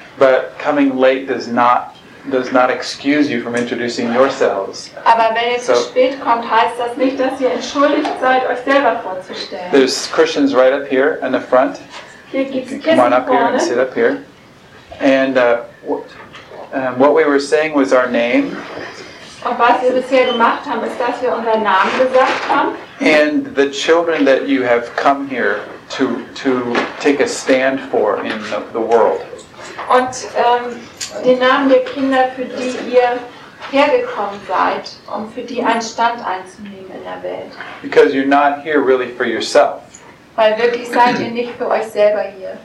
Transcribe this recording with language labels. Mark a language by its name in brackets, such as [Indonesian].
[English] But coming late does not excuse you from introducing yourselves. [German] Aber wenn ihr zu spät kommt, heißt das nicht, dass ihr entschuldigt seid, euch selber vorzustellen. [English] There's Christians right up here in the front. [German] Hier gibt's Christians. [English] Come on up here and sit up here. And what we were saying was our name. [German] Und was wir bisher gemacht haben, ist, dass wir unseren Namen gesagt haben. [English] And the children that you have come here to take a stand for in the world. [German] Und den Namen der Kinder, für die ihr hergekommen seid, um für die einen Stand einzunehmen in der Welt. [English] Because you're not here really for yourself. [German] Weil wirklich seid ihr nicht für euch selber hier.